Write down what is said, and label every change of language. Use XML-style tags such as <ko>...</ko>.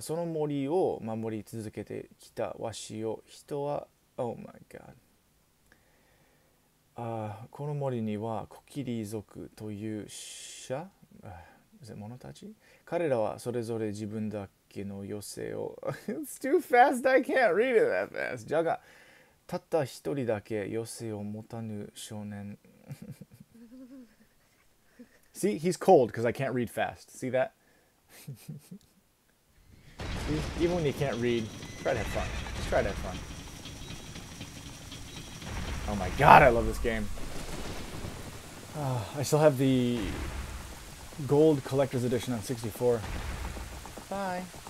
<ja>その森を守り続けてきたわしを人は。</ja> <en>Oh my god.</en> <ja>この森にはコキリ族という者、者たち、彼らはそれぞれ自分だけの余生を。</ja> <en>It's too fast, I can't read it that fast.</en> <ja>じゃが、たった一人だけ余生を持たぬ少年。</ja> <en>See, he's cold because I can't read fast. See that? Even when you can't read, try to have fun. Just try to have fun. Oh my god, I love this game. I still have the gold collector's edition on 64. Bye.</en>